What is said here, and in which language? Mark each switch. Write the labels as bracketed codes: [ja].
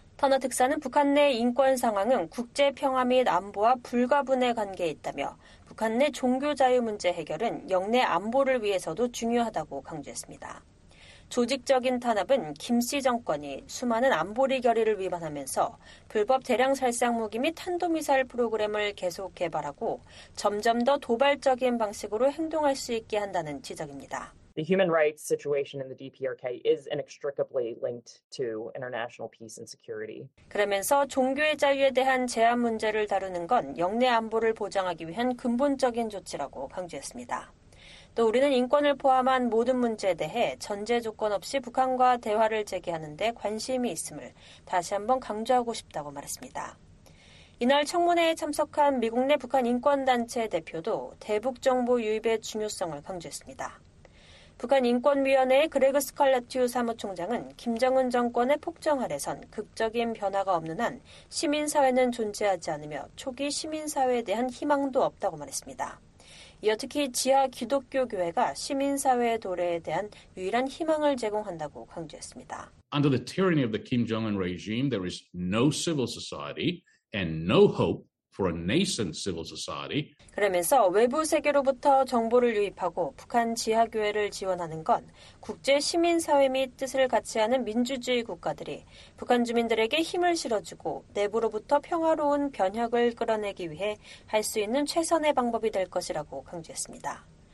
[ko] 터너 특사는 북한 내 인권 상황은 국제 평화 및 안보와 불가분의 관계에 있다며 북한 내 종교 자유 문제 해결은 영내 안보를 위해서도 중요하다고 강조했습니다. 조직적인 탄압은 김씨 정권이 수많은 안보리 결의를 위반하면서 불법 대량 살상 무기 및 탄도미사일 프로그램을 계속 개발하고 점점 더 도발적인 방식으로 행동할 수 있게 한다는 지적입니다. [en] The human rights situation in the DPRK is inextricably linked to international peace and security. [ko] 그러면서 종교의 자유에 대한 제한 문제를 다루는 건 영내 안보를 보장하기 위한 근본적인 조치라고 강조했습니다. 또 우리는 인권을 포함한 모든 문제에 대해 전제 조건 없이 북한과 대화를 재개하는 데 관심이 있음을 다시 한번 강조하고 싶다고 말했습니다. 이날 청문회에 참석한 미국 내 북한 인권단체 대표도 대북 정보 유입의 중요성을 강조했습니다. 북한 인권위원회의 그레그 스칼레튜 사무총장은 김정은 정권의 폭정 아래선 극적인 변화가 없는 한 시민사회는 존재하지 않으며 초기 시민사회에 대한 희망도 없다고 말했습니다. 이어 특히 지하 기독교 교회가 시민사회의 도래에 대한 유일한 희망을 제공한다고 강조했습니다. [en] Under the tyranny of the Kim Jong-un regime, there is no civil society and no hope for a nascent civil society. [ko] 그러면서 외부 세계로부터 정보를 유입하고 북한 지하교회를 지원하는 건 국제 시민사회 및 뜻을 같이 하는 민주주의 국가들이 북한 주민들에게 힘을 실어주고 내부로부터 평화로운 변혁을 끌어내기 위해 할 수 있는 최선의 방법이 될 것이라고 강조했습니다.